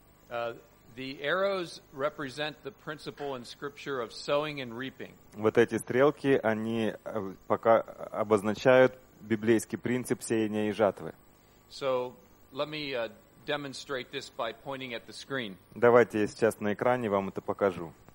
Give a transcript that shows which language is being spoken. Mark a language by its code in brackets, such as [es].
[en] The arrows represent the principle in scripture of sowing and reaping. [ru] Вот эти стрелки, они пока обозначают библейский принцип сеяния и жатвы. [en] So let me demonstrate this by pointing at the screen. [ru] Давайте я сейчас на экране вам это покажу.